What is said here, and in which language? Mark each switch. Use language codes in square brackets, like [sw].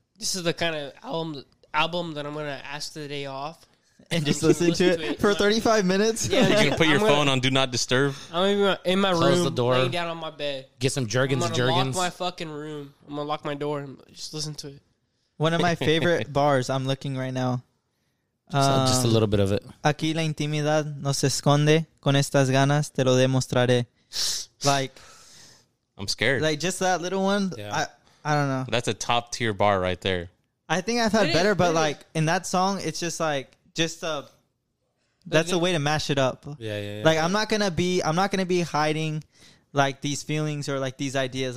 [en] This is the kind of album that I'm gonna ask the day off. And just listen to it for 35 minutes. Yeah, you can put your phone on Do Not Disturb. I'm in my room. Close the door. Laying down on my bed. Get some Jergens. I'm gonna lock my fucking room. I'm gonna lock my door and just listen to it. One of my favorite bars, I'm looking right now. Just a little bit of it. [es] Aquí la intimidad no se esconde. Con estas ganas te lo demostraré. Like, [en] I'm scared. Like, just that little one. Yeah. I don't know. That's a top tier bar right there. I think I thought it better, but like in that song, it's just like just a. That's a way to mash it up. Yeah. Like yeah. I'm not gonna be hiding, like these feelings or like these ideas.